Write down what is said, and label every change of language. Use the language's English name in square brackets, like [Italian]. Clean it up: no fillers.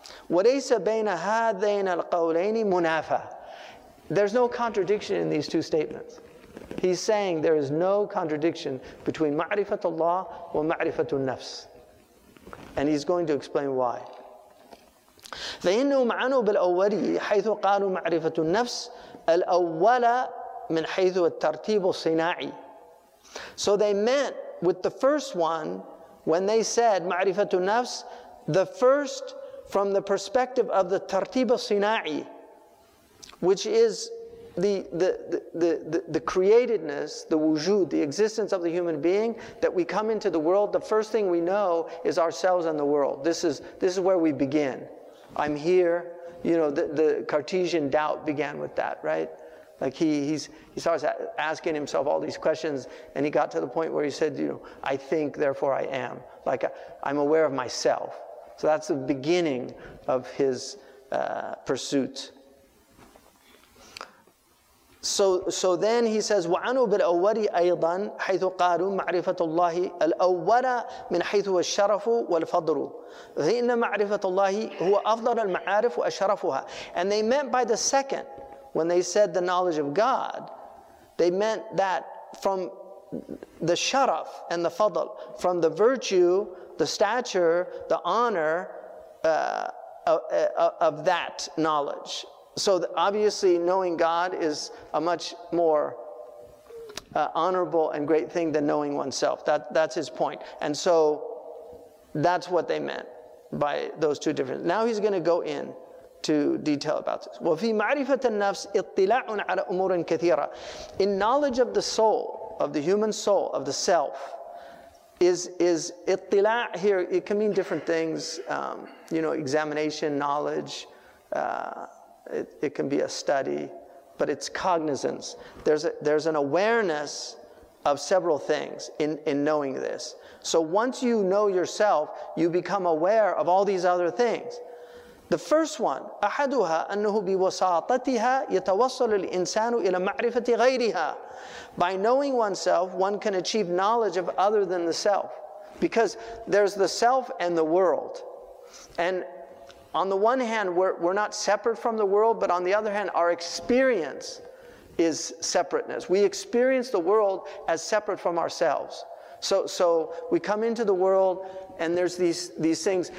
[Arabic] وَلَيْسَ بَيْنَ هَذَيْنَ الْقَوْلَيْنِ مُنَافَةً [English] There's no contradiction in these two statements. He's saying there is no contradiction between ma'rifatullah wa ma'rifatun nafs. And he's going to explain why. [Arabic] فَإِنُّوا مَعَنُوا بِالْأَوَّلِي حَيْثُ قَالُوا مَعْرِفَةُ النَّفْسِ الْأَوَّلَ مِنْ حَيْثُ التَّرْتِيبُ الصِّنَاعِ [English] So they meant with the first one, when they said ma'rifatu nafs, the first from the perspective of the tartiba sina'i, which is the createdness, the wujud, the existence of the human being, that we come into the world, the first thing we know is ourselves and the world. This is where we begin. I'm here, you know, the Cartesian doubt began with that, right? Like he starts asking himself all these questions, and he got to the point where he said, you know, I think, therefore I am. Like I'm aware of myself. So that's the beginning of his pursuit. So then he says, [Arabic] وَعَنُوا بِالْأَوَّلِ أَيْضًا حَيْثُ قَالُوا مَعْرِفَةُ اللَّهِ الْأَوَّلَ مِنْ حَيْثُ الشَّرَفُ وَالْفَضْرُ فَإِنَّ مَعْرِفَةُ اللَّهِ هُوَ أَفْضَلُ الْمَعَارِفُ وَأَشْرَفُهَا. [English] And they meant by the second, when they said the knowledge of God, they meant that from the sharaf and the fadl, from the virtue, the stature, the honor of that knowledge. So obviously knowing God is a much more honorable and great thing than knowing oneself. That's his point. And so that's what they meant by those two different. Now he's going to go in to detail about this. [Arabic] وَفِي مَعْرِفَةَ النَّفْسِ اطِّلَاعٌ عَلَى أُمُورٍ كَثِيرًا. [English] In knowledge of the soul, of the human soul, of the self, is اطِّلَاع here, it can mean different things, you know, examination, knowledge, it can be a study, but it's cognizance. There's an awareness of several things in knowing this. So once you know yourself, you become aware of all these other things. The first one, [Arabic] أحدها أنه بواسطتها يتوصل الإنسان إلى معرفة غيرها. [English] By knowing oneself, one can achieve knowledge of other than the self. Because there's the self and the world. And on the one hand, we're not separate from the world, but on the other hand, our experience is separateness. We experience the world as separate from ourselves. So we come into the world, and there's these things.